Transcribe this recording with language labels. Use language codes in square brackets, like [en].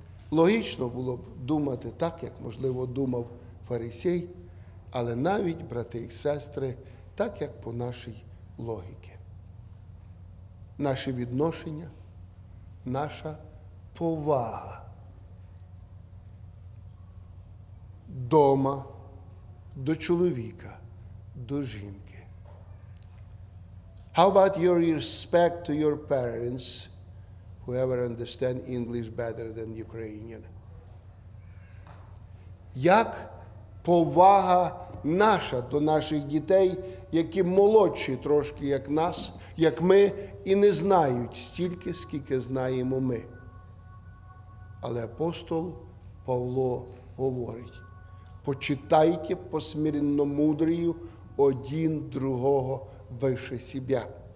[uk] Логічно було б думати так, як, можливо, думав фарисей, але навіть, брати і сестри, так, як по нашій логіці. Наші відношення, наша повага. Дома, до чоловіка, до жінки. [en] How about your respect to your parents, whoever understands English better than Ukrainian? [uk] Як повага наша до наших дітей, які молодші трошки, як нас, як ми, і не знають стільки, скільки знаємо ми. Але апостол Павло говорить: почитайте посмиренно мудрію один другого вище себе.